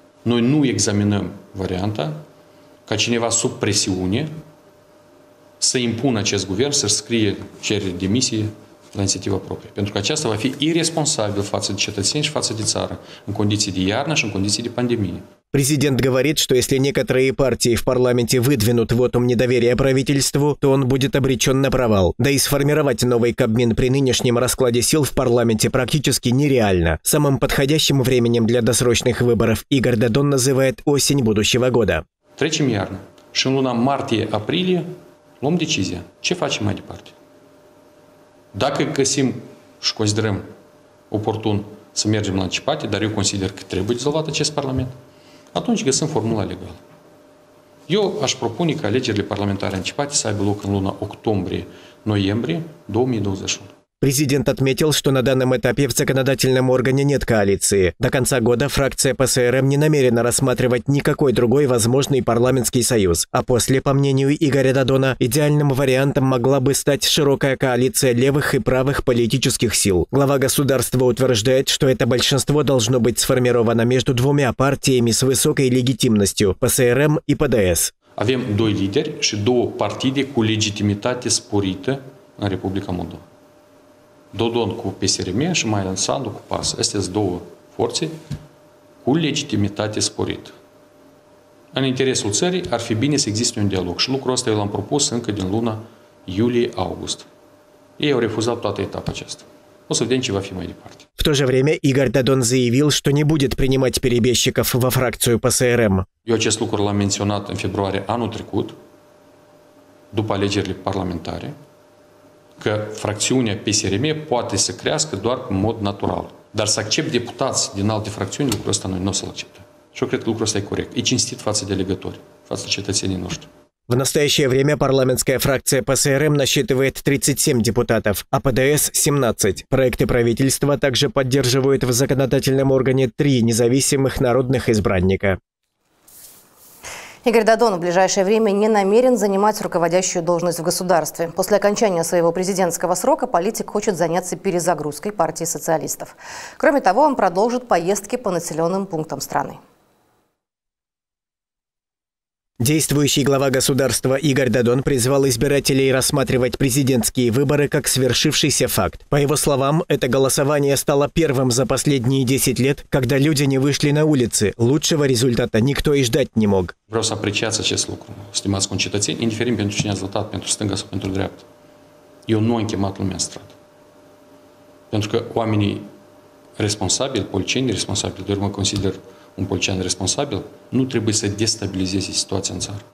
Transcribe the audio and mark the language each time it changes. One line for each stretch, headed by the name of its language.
Romanian: Noi nu examinăm varianta ca cineva sub presiune să impună acest guvern să scrie cereri de demisie la inițiativă proprie. Pentru că aceasta va fi irresponsabil față de cetățeni și față de țară în condiții de iarnă și în condiții de pandemie.
Russian: Президент говорит, что если некоторые партии в парламенте выдвинут вотум недоверия правительству, то он будет обречен на провал. Да и сформировать новый кабмин при нынешнем раскладе сил в парламенте практически нереально. Самым подходящим временем для досрочных выборов Игорь Дадон называет осень будущего года.
Romanian: Третьим ярно. Шинлуна марте-апреле luăm decizia. Ce facem mai departe? Dacă găsim și considerăm oportun să mergem la începate, dar eu consider că trebuie dizolvat acest parlament, atunci găsim formula legală. Eu aș propune ca alegerile parlamentare începate să aibă loc în luna octombrie-noiembrie 2021.
Russian: Президент отметил, что на данном этапе в законодательном органе нет коалиции. До конца года фракция ПСРМ не намерена рассматривать никакой другой возможный парламентский союз. А после, по мнению Игоря Дадона, идеальным вариантом могла бы стать широкая коалиция левых и правых политических сил. Глава государства утверждает, что это большинство должно быть сформировано между двумя партиями с высокой легитимностью – ПСРМ и ПДС.
Romanian: Avem doi лидери și două partide cu legitimitate sporită în Republica Moldova. Додон cu PSRM și Майя Санду cu PAS. Astea sunt două forțe cu legitimitate sporită. În interesul țării ar fi bine să existe un dialog și lucrul ăsta eu l-am propus încă din luna iulie-august. Ei au refuzat toată etapa aceasta. O să vedem ce va fi mai departe.
Russian: В то же время Игорь Дадон заявил, что не будет принимать перебежчиков во фракцию ПСРМ.
Romanian: Eu acest lucru l-am menționat în februarie anul trecut, după alegerile parlamentare, că fracțiunea PSRM poate să crească doar în mod natural. Dar să accept deputați din alte fracțiuni, lucrul ăsta noi nu o să-l accepte. Și eu cred că lucrul ăsta e corect. E cinstit față de alegători, față cetățenii noștri.
Russian: В настоящее время парламентская фракция ПСРМ насчитывает 37 депутатов, а ПДС – 17. Проекты правительства также поддерживают в законодательном органе 3 независимых народных избранника. Игорь Дадон в ближайшее время не намерен занимать руководящую должность в государстве. После окончания своего президентского срока политик хочет заняться перезагрузкой партии социалистов. Кроме того, он продолжит поездки по населенным пунктам страны. Действующий глава государства Игорь Дадон призвал избирателей рассматривать президентские выборы как свершившийся факт. По его словам, это голосование стало первым за последние 10 лет, когда люди не вышли на улицы. Лучшего результата никто и ждать не мог.
Romanian: Vreau să apreciez acest lucru. Stimați concetățeni, indiferent pentru cine ați votat, pentru stânga sau pentru dreapta. Eu nu am chemat lumea în stradă. Pentru că oamenii responsabili, polițienii responsabili, de urmă consider un polițian responsabil, nu trebuie să destabilizeze situația în țară.